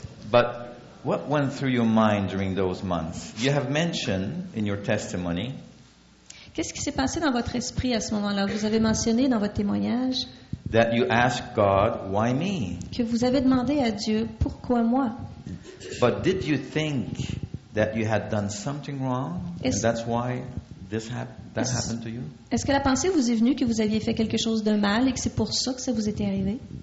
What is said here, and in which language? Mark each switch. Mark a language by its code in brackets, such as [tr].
[en] But what went through your mind during those months? You have mentioned in your testimony. [fr] Qu'est-ce qui s'est passé dans votre esprit à ce moment-là? Vous avez mentionné dans votre témoignage [en] that you asked God, why me? [fr] Que vous avez demandé à Dieu, pourquoi moi? [en] But did you think that you had done something wrong? And that's why that happened to you? [fr] Est-ce que la pensée vous est venue que vous aviez fait quelque chose de mal et que c'est pour ça que ça vous était arrivé?